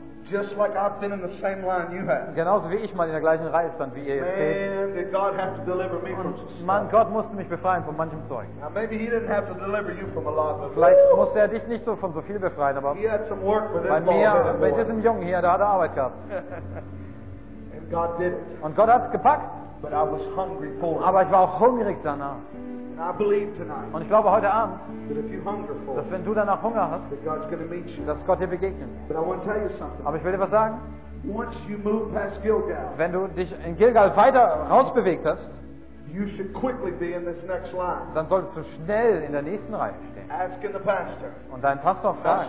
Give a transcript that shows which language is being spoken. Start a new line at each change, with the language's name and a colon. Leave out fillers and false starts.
English: Just like I've been in the same line you have.
German: Genauso wie ich mal in der gleichen Reihe stand wie ihr jetzt steht.
English: Man, did God have to deliver me from stuff?
German: Mann, Gott musste mich befreien von manchem Zeug.
English: Now maybe He didn't have to deliver you from a lot of.
German: Vielleicht musste er dich nicht so von so viel befreien, aber
English: he had some work with
German: bei mir, bei diesem Jungen hier, da hat er Arbeit gehabt.
English: And God didn't.
German: Und Gott hat es gepackt.
English: But I was hungry for it.
German: Aber ich war auch hungrig danach.
English: I believe tonight,
German: und ich glaube heute Abend,
English: that if you hunger for,
German: dass wenn du danach Hunger hast,
English: that God's gonna meet you.
German: Dass Gott dir begegnet.
English: But I want to tell you something.
German: Aber ich will dir was sagen.
English: Once you move past Gilgal,
German: wenn du dich in Gilgal weiter rausbewegt hast,
English: you should quickly be in this next line.
German: Dann solltest du schnell in der nächsten Reihe stehen.
English: Asking the pastor,
German: und deinen Pastor fragen,